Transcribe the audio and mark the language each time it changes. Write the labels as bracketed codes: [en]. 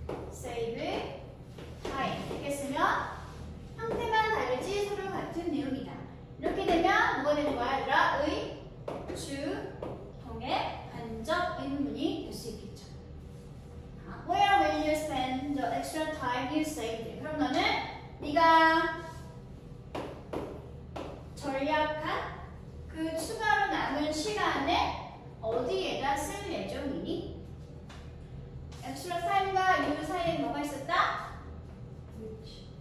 [en] Save time. [ko] 이렇게 쓰면 형태만 다르지 서로 같은 내용이다. 이렇게 되면 뭐가 되는 거야? 라의 주 동의 간접 의문문이 될 수 있겠죠. [en] Where will you spend the extra time you saved? [ko] 그럼 너는 네가 절약한 그 추가로 남은 시간에 어디에다 쓸 예정이니? Extra time과 you 사이에 뭐가 있었다? [en] Which.